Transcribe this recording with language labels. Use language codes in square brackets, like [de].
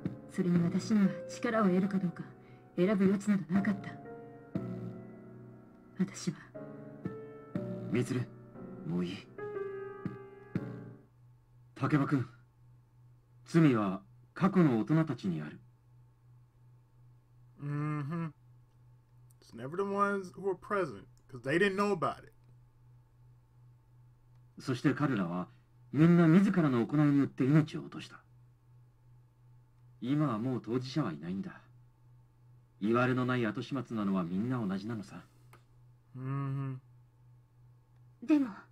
[ja] それに私には力を得るかどうか選ぶ余地などなかった。私はミツル、もういい。竹馬君、罪は過去の大人たちにある。 [en] It's never the ones who are present, because they didn't know about it. [ja] そして彼らはみんな自らの行いによって命を落とした。今はもう当事者はいないんだ。言われのない後始末なのはみんな同じなのさ。でも